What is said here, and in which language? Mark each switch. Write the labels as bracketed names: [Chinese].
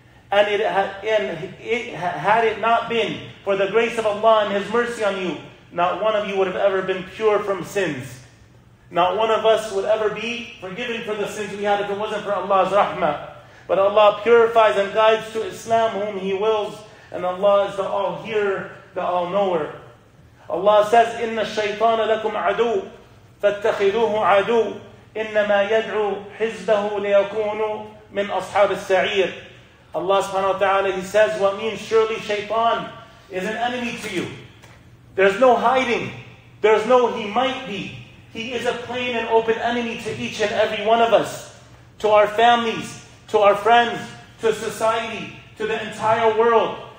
[English] And had it not been for the grace of Allah and His mercy on you, not one of you would have ever been pure from sins. Not one of us would ever be forgiven for the sins we had if it wasn't for Allah's rahmah. But Allah purifies and guides to Islam whom He wills, and Allah is the all-hearer, the all-knower. Allah says, [Arabic] إِنَّ الشَّيْطَانَ لَكُمْ عَدُوٌ فَاتَّخِذُوهُ عَدُوٌ إِنَّمَا يَدْعُو حِزْبَهُ لِيَكُونُوا مِنْ أَصْحَابِ السَّعِيرِ. [English] Allah subhanahu wa ta'ala, He says, what means surely Shaytan is an enemy to you. There's no hiding. There's no he might be. He is a plain and open enemy to each and every one of us, to our families, to our friends, to society, to the entire world.